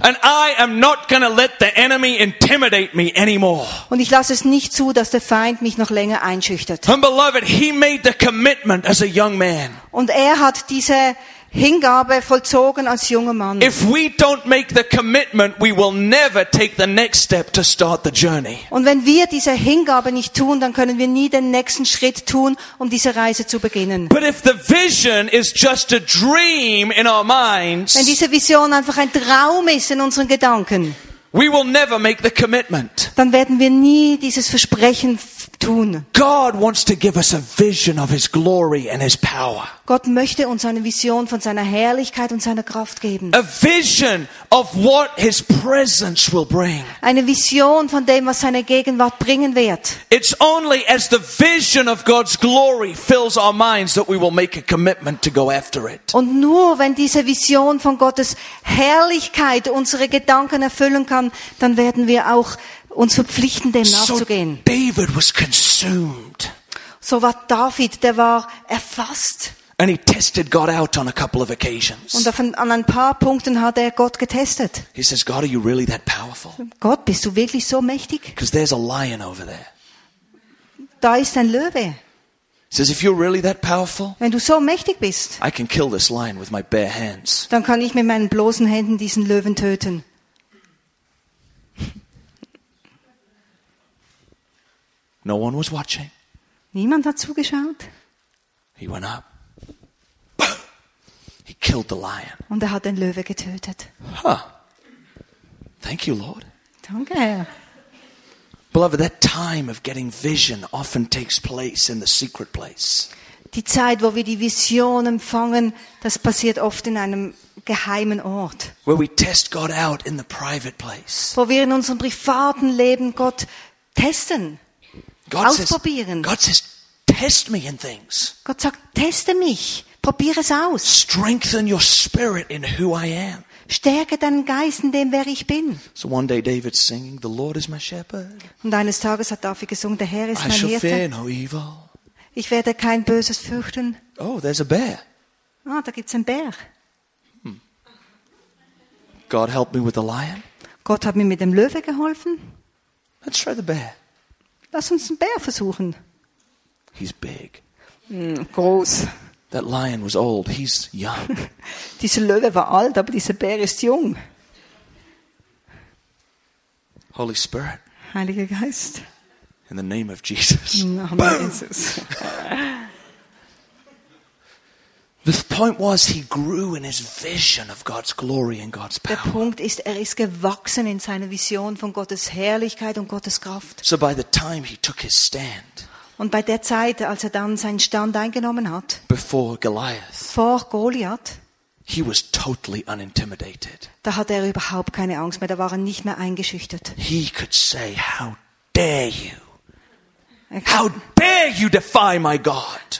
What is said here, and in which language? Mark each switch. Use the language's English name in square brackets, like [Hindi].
[English] And I am not going to let the enemy intimidate me anymore. [German] Und ich lasse es nicht zu, dass der Feind mich noch länger einschüchtert. [English] And beloved, he made the commitment as a young man. [German] Und er hat diese Hingabe vollzogen als junger Mann. [English] If we don't make the commitment, we will never take the next step to start the journey. [German] Und wenn wir diese Hingabe nicht tun, dann können wir nie den nächsten Schritt tun, um diese Reise zu beginnen. [English] But if the vision is just a dream in our minds, [German] wenn diese Vision einfach ein Traum ist in unseren Gedanken, [English] we will never make the commitment. [German] Dann werden wir nie dieses Versprechen tun. [English] God wants to give us a vision of his glory and his power. [German] Gott möchte uns eine Vision von seiner Herrlichkeit und seiner Kraft geben. [English] A vision of what his presence will bring. [German] Eine Vision von dem, was seine Gegenwart bringen wird. [English] It's only as the vision of God's glory fills our minds that we will make a commitment to go after it. [German] Und nur wenn diese Vision von Gottes Herrlichkeit unsere Gedanken erfüllen kann, dann werden wir auch uns verpflichten, dem nachzugehen. [English] So David was consumed. [German] So war David, der war erfasst. [English] And he tested God out on a couple of occasions. [German] Und an ein paar Punkten hat er Gott getestet. [English] He says, God, are you really that powerful? [German] Gott, bist du wirklich so mächtig? [English] Because there's a lion over there. [German] Da ist ein Löwe. [English] He says, if you're really that powerful, [German] wenn du so mächtig bist, [English] I can kill this lion with my bare hands. [German] Dann kann ich mit meinen bloßen Händen diesen Löwen töten. [English] No one was watching. [German] Niemand hat zugeschaut. [English] He went up. He killed the lion. [German] Und er hat den Löwe getötet. [English] Huh. Thank you, Lord. [German] Danke, Herr. [English] Beloved, that time of getting vision often takes place in the secret place. [German] Die Zeit, wo wir die Vision empfangen, das passiert oft in einem geheimen Ort. [English] Where we test God out in the private place. [German] Wo wir in unserem privaten Leben Gott testen. [English] God says, test me in things. [German] Gott sagt, teste mich. Probiere es aus. [English] Strengthen your spirit in who I am. [German] Stärke deinen Geist in dem, wer ich bin. [English] So one day David's singing, the Lord is my shepherd. [German] Und eines Tages hat David gesungen, der Herr ist mein Hirte. [English] I shall fear no evil. [German] Ich werde kein Böses fürchten. [English] Oh, there's a bear. [German] Ah, da gibt's einen Bär. [English] God help me with the lion. [German] Gott hat mir mit dem Löwe geholfen. [English] Let's try the bear. [German] Lass uns einen Bär versuchen. [English] He's big. [German] Groß. [English] That lion was old. He's young. [German] Dieser Löwe war alt, aber dieser Bär ist jung. [English] Holy Spirit. [German] Heiliger Geist. [English] In the name of Jesus. [German] Im Namen Jesus. [English] The point was, he grew in his vision of God's glory and God's power. [German] Der Punkt ist, er ist gewachsen in seiner Vision von Gottes Herrlichkeit und Gottes Kraft. [English] So by the time he took his stand. [German] Und bei der Zeit, als er dann seinen Stand eingenommen hat. [English] Before Goliath. [German] Vor Goliath. [English] He was totally unintimidated. [German] Da hatte er überhaupt keine Angst mehr. Da war er nicht mehr eingeschüchtert. [English] He could say, "How dare you?" How dare you defy my God?